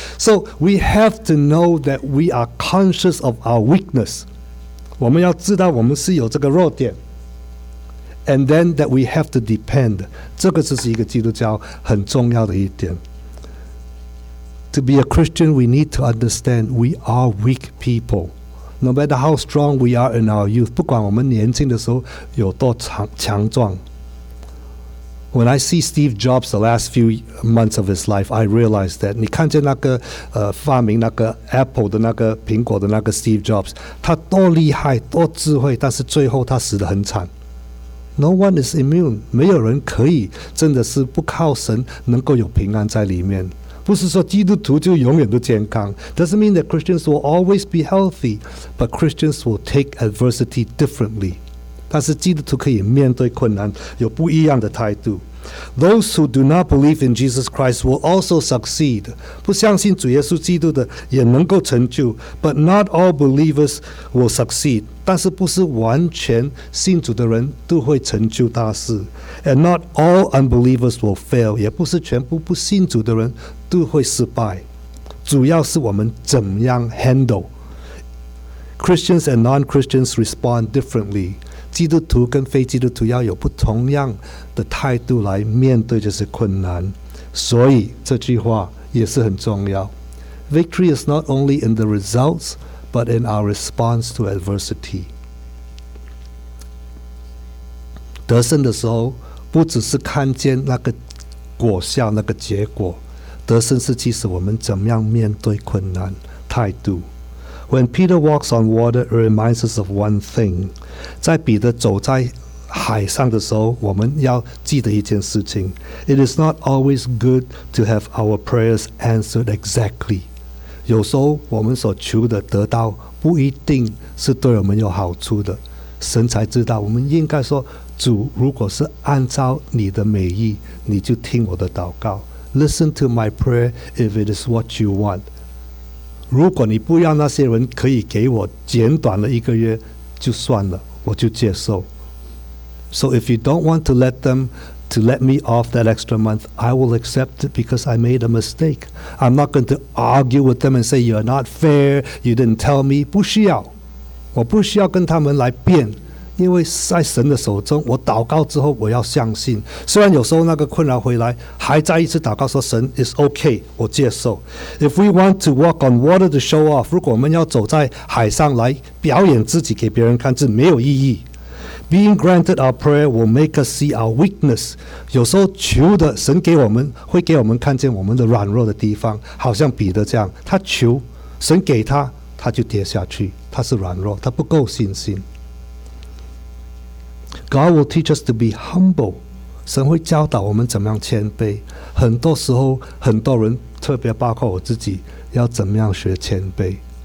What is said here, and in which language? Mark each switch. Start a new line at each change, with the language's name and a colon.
English: So we have to know that we are conscious of our weakness.
Chinese: 我们要知道我们是有这个弱点。
English: And then that we have to depend.
Chinese: 这个就是一个基督教很重要的一点。
English: To be a Christian, we need to understand we are weak people. No matter how strong we are in our youth,
Chinese: 不管我们年轻的时候有多强壮。
English: When I see Steve Jobs the last few months of his life, I realized that.
Chinese: 你看见那个发明那个 Apple 的那个苹果的那个 Steve Jobs, 他多厉害多智慧，但是最后他死得很惨。
English: No one is immune.
Chinese: 没有人可以真的是不靠神能够有平安在里面。不是说基督徒就永远都健康。
English: Doesn't mean that Christians will always be healthy, but Christians will take adversity differently.
Chinese: 但是基督徒可以面对困难，有不一样的态度。
English: Those who do not believe in Jesus Christ will also succeed.
Chinese: 不相信主耶稣基督的也能够成就。
English: But not all believers will succeed.
Chinese: 但是不是完全信主的人都会成就大事。
English: And not all unbelievers will fail.
Chinese: 也不是全部不信主的人都会失败，主要是我们怎么样 handle.
English: Christians and non-Christians respond differently.
Chinese: 基督徒跟非基督徒要有不同样的态度来面对这些困难，所以这句话也是很重要。
English: Victory is not only in the results but in our response to adversity。
Chinese: 得胜的时候不只是看见那个果效那个结果，得胜是其实我们怎么样面对困难态度。
English: When Peter walks on water, it reminds us of one thing.
Chinese: 在彼得走在海上的时候，我们要记得一件事情。
English: It is not always good to have our prayers answered exactly.
Chinese: 有时候我们所求的得到不一定是对我们有好处的。神才知道，我们应该说，主，如果是按照你的美意，你就听我的祷告。
English: Listen to my prayer if it is what you want.
Chinese: 如果你不要那些人可以给我简短的一个月就算了，我就接受。
English: So if you don't want to let them to let me off that extra month, I will accept it because I made a mistake. I'm not going to argue with them and say you're not fair, you didn't tell me.
Chinese: 不需要，我不需要跟他们来辩，因为在神的手中，我祷告之后我要相信，虽然有时候那个困难回来还再一次祷告说神
English: is okay
Chinese: 我接受。
English: If we want to walk on water to show off,
Chinese: 如果我们要走在海上来表演自己给别人看，这没有意义。
English: Being granted our prayer will make us see our weakness.
Chinese: 有时候求的神给我们会给我们看见我们的软弱的地方，好像彼得这样，他求神给他，他就跌下去，他是软弱，他不够信心。
English: God will teach us to be humble.
Chinese: 神会教导我们怎么样谦卑。很多时候，很多人，特别包括我自己，要怎么样学谦卑。